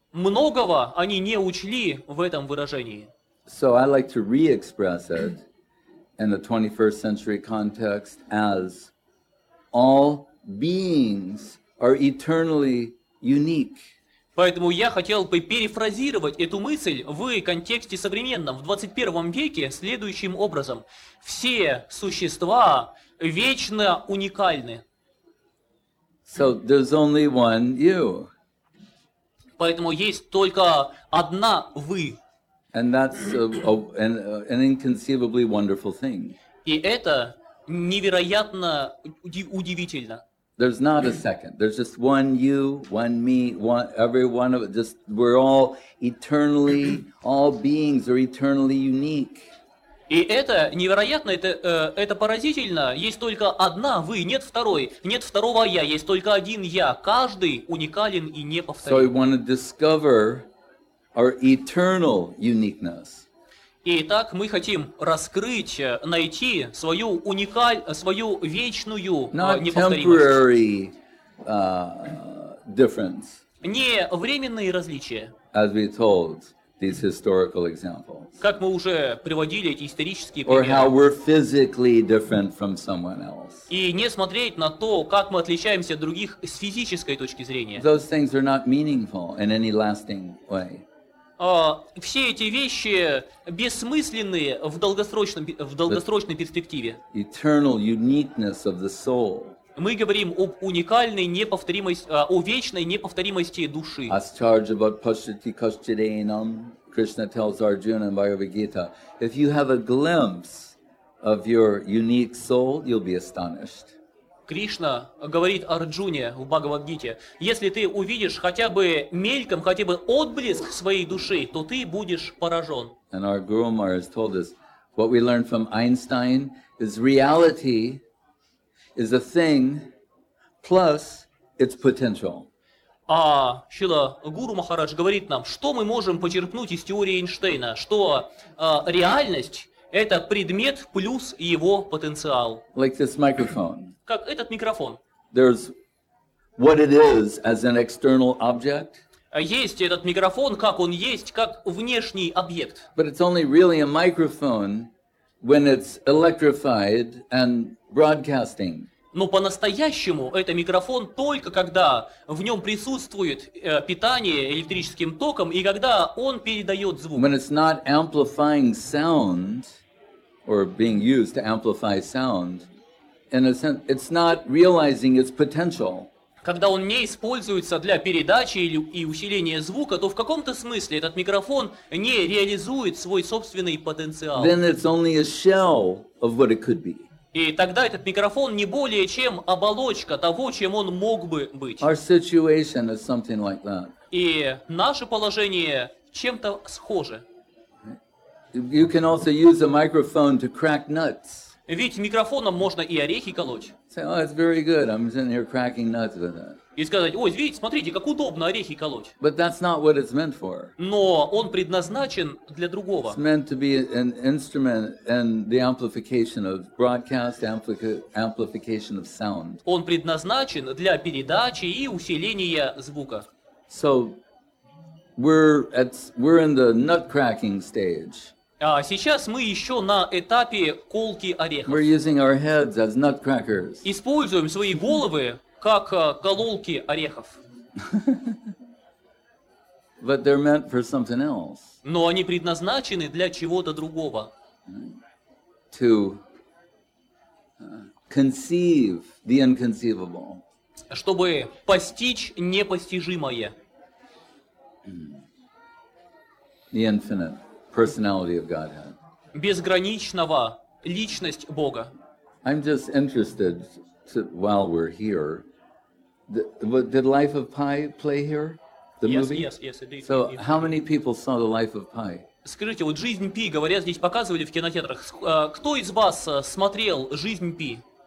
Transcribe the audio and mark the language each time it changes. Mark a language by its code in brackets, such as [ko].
[ru] Многого они не учли в этом выражении. [en] So I like to re-express it in the 21st century context as all beings are eternally unique. [ru] Поэтому я хотел бы перефразировать эту мысль в контексте современном, в 21 веке, следующим образом. Все существа вечно уникальны. [en] So there's only one you. [ru] Поэтому есть только одна вы. [en] And that's an inconceivably wonderful thing. [ru] И это невероятно удивительно. [en] There's not a second. There's just one you, one me, one every one of us. Just we're all eternally, all beings are eternally unique. [ru] И это невероятно, это поразительно. Есть только одна вы, нет второй, нет второго я, есть только один я. Каждый уникален и неповторим. [en] So we want to discover our eternal uniqueness. [ru] Итак, мы хотим раскрыть, найти свою свою вечную неповторимость. Не временные различия. [en] As we told these historical examples. [ru] Как мы уже приводили эти исторические примеры. [en] Or how we're physically different from someone else. [ru] И не смотреть на то, как мы отличаемся от других с физической точки зрения. [en] Those things are not meaningful in any lasting way. [ru] Все эти вещи бессмысленные в долгосрочной перспективе. [en] Eternal uniqueness of the soul. [ru] Мы говорим об уникальной неповторимости, о вечной неповторимости души. [sa] Acharya Bhattacharya Kashchidainam, [en] Krishna tells Arjuna in Bhagavad Gita, if you have a glimpse of your unique soul, you'll be astonished. [ru] Кришна говорит Арджуне в Бхагавад-гите, если ты увидишь хотя бы мельком, хотя бы отблеск своей души, то ты будешь поражен. [en] And our Guru Maharaj has told us, what we learned from Einstein is reality is a thing plus its potential. [ru] А Шрила Гуру Махарадж говорит нам, что мы можем почерпнуть из теории Эйнштейна, что реальность – это предмет плюс его потенциал. [en] Like this microphone. [ru] Как этот микрофон. [en] There's what it is as an external object. [ru] Есть этот микрофон, как он есть, как внешний объект. [en] But it's only really a microphone when it's electrified and broadcasting. [ru] Но по-настоящему это микрофон только когда в нем присутствует питание электрическим током и когда он передает звук. [en] When it's not amplifying sound or being used to amplify sound. In a sense, it's not realizing its potential. [ru] Когда он не используется для передачи и усиления звука, то в каком-то смысле этот микрофон не реализует свой собственный потенциал. [en] Then it's only a shell of what it could be. [ru] И тогда этот микрофон не более чем оболочка того, чем он мог бы быть. [en] Our situation is something like that. [ru] и наше положение чем-то схоже. [en] You can also use a microphone to crack nuts. [ru] Ведь микрофоном можно и орехи колоть. [en] Say, oh, it's very good. I'm sitting here cracking nuts with that. [ru] И сказать, ой, видите, смотрите, как удобно орехи колоть. [en] But that's not what it's meant for. [ru] Но он предназначен для другого. [en] It's meant to be an instrument in the amplification of broadcast, amplification of sound. [ru] Он предназначен для передачи и усиления звука. [en] So we're in the nut-cracking stage. [ru] А сейчас мы еще на этапе колки орехов. [en] We're using our heads as nutcrackers. [ru] Используем свои головы как кололки орехов. [en] But they're meant for something else. [ru] Но они предназначены для чего-то другого. [en] To conceive the inconceivable. [ru] Чтобы постичь непостижимое. [en] The infinite personality of Godhead. [ru] Безграничного личность Бога. [en] I'm just interested to, while we're here. Did Life of Pi play here? The yes, movie? Yes, it did. So, how many people saw The Life of Pi? [ru] Скажите, вот Жизнь Пи, говоря, здесь показывали в кинотеатрах. Кто из вас смотрел Жизнь Пи?